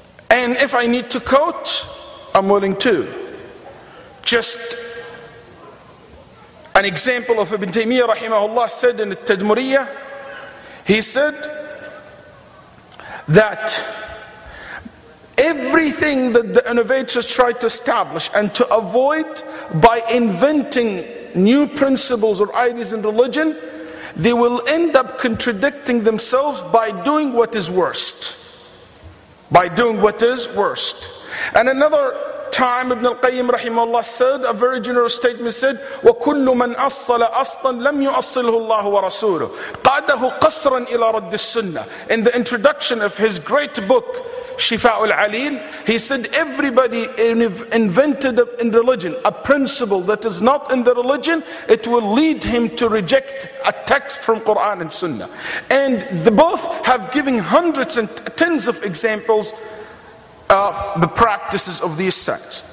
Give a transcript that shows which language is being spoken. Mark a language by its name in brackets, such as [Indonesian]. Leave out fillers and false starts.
[English] And if I need to coat, I'm willing to. Just an example of Ibn Taymiyyah rahimahullah said in At-Tadmuriyah, he said that everything that the innovators tried to establish and to avoid by inventing new principles or ideas in religion, they will end up contradicting themselves by doing what is worst. By doing what is worst. And another time, Ibn al-Qayyim rahimahullah said, a very generous statement said, [Arabic] وَكُلُّ مَنْ أَصَّلَ أَصْلًا لَمْ يُؤَصِّلْهُ اللَّهُ وَرَسُولُهُ قَادَهُ قَصْرًا إِلَى رَدِّ السُّنَّةِ. [English] In the introduction of his great book, Shifa'ul Alil, he said, everybody invented in religion a principle that is not in the religion, it will lead him to reject a text from Quran and Sunnah. And the both have given hundreds and tens of examples of the practices of these sects.